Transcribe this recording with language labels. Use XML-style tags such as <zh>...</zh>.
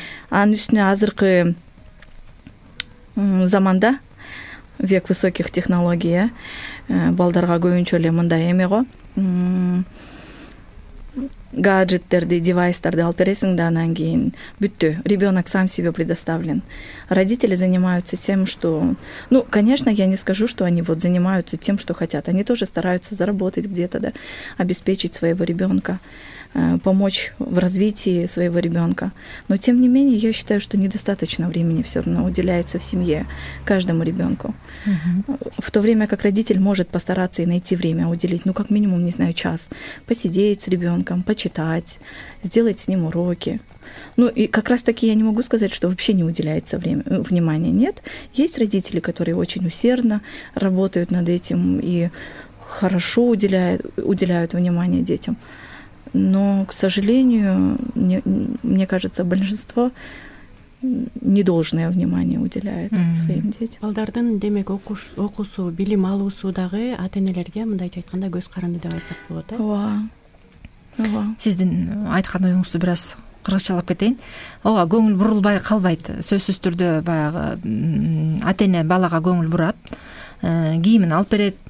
<ky>Анын үстүнө азыркы заманда,</ky> <ru>век высоких технология,</ru> <ky>балдарга көбүнчө эле мындай эме го, гаджеттерди, девайстарды алып бересиң да, анан кийин бүттү,</ky> <ru>ребенок сам себе предоставлен. Родители занимаются тем, что... Ну, конечно, я не скажу, что они вот занимаются тем, что хотят. Они тоже стараются заработать где-то, да, обеспечить своего ребенка, помочь в развитии своего ребенка. Но, тем не менее, я считаю, что недостаточно времени все равно уделяется в семье каждому ребенку. В то время как родитель может постараться и найти время уделить, ну, как минимум, не знаю, час, посидеть с ребенком, почитать, сделать с ним уроки. Ну, и как раз-таки я не могу сказать, что вообще не уделяется время, внимания, нет. Есть родители, которые очень усердно работают над этим и хорошо уделяют внимание детям. Но, к сожалению, мне кажется, большинство недолжное внимание уделяет своим детям.</ru> <ky>Балдардын демек окуусу, билим алуусу дагы ата-энелерге мындайча айтканда көз каранды деп айтсак болот, э? Ооба. Ооба. Сиздин айткан оюңузду бир аз кыргызчалап кетейин. Ооба, көңүл бурулбай калбайт. Сөзсүз түрдө баягы ата-эне балага көңүл бурат, кийимин алып берет.</ky>